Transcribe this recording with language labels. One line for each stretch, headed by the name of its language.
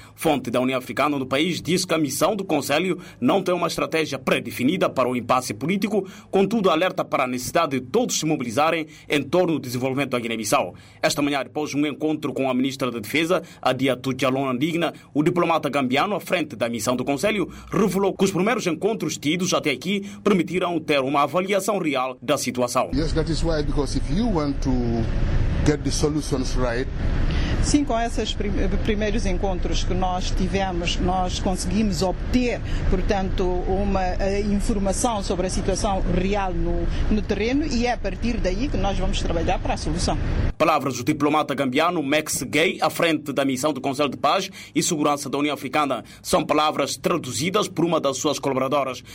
Portuguese: Fonte da União Africana no país disse que a missão do Conselho não tem uma estratégia pré-definida para o impasse político, contudo alerta para a necessidade de todos se mobilizarem em torno do desenvolvimento da Guiné-Bissau. Esta manhã, depois de um encontro com a ministra da Defesa, Adiatou Djalona Ndigna, o diplomata gambiano à frente da missão do Conselho revelou que os primeiros encontros tidos até aqui permitiram ter uma avaliação real da situação.
English: Yes, that is why, because if you want to get the solutions right.
Portuguese: Sim, com esses primeiros encontros que nós tivemos, nós conseguimos obter, portanto, uma informação sobre a situação real no terreno, e é a partir daí que nós vamos trabalhar para a solução. Palavras do diplomata gambiano Max Gay, à frente da missão do Conselho de Paz e Segurança da União Africana, são palavras traduzidas por uma das suas colaboradoras.